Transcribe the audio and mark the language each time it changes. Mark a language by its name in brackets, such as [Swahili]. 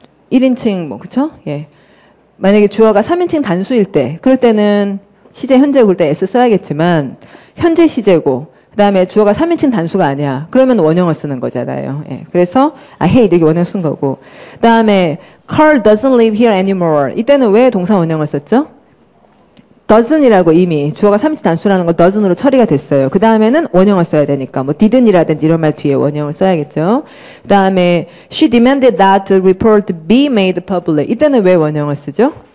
[Korean] 1인칭 뭐 그렇죠? 예. 만약에 주어가 3인칭 단수일 때 그럴 때는 시제 현재 그럴 때 S 써야겠지만 현재 시제고 그다음에 주어가 3인칭 단수가 아니야. 그러면 원형을 쓰는 거잖아요. 예. 그래서 I hate 이렇게 원형 쓴 거고. 그다음에 [English] Carl doesn't live here anymore. [Korean] 이때는 왜 동사 원형을 썼죠? doesn't이라고 이미 주어가 3인칭 단수라는 걸 doesn't으로 처리가 됐어요. 그 다음에는 원형을 써야 되니까 뭐 didn't이라든지 이런 말 뒤에 원형을 써야겠죠. 그 다음에 [English] she demanded that the report be made public. [Korean] 이때는 왜 원형을 쓰죠?